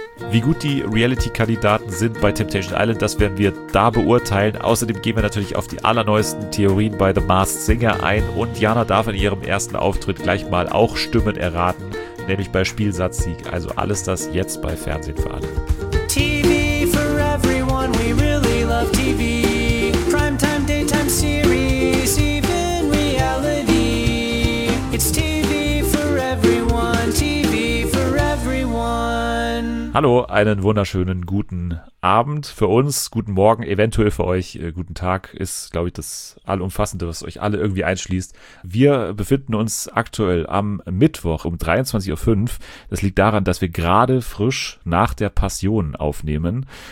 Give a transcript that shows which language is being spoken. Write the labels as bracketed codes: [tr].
[de] Wie gut die Reality-Kandidaten sind bei Temptation Island, das werden wir da beurteilen. Außerdem gehen wir natürlich auf die allerneuesten Theorien bei The Masked Singer ein. Und Jana darf in ihrem ersten Auftritt gleich mal auch Stimmen erraten, nämlich bei Spielsatzsieg. Also alles das jetzt bei Fernsehen für alle. [en] TV for everyone, we really love TV. Primetime, daytime series, even reality. It's TV for everyone, TV for everyone. [de] Hallo, einen wunderschönen guten Abend für uns, guten Morgen, eventuell für euch, guten Tag, ist, glaube ich, das Allumfassende, was euch alle irgendwie einschließt. Wir befinden uns aktuell am Mittwoch um 23.05 Uhr. Das liegt daran, dass wir gerade frisch nach der Passion aufnehmen.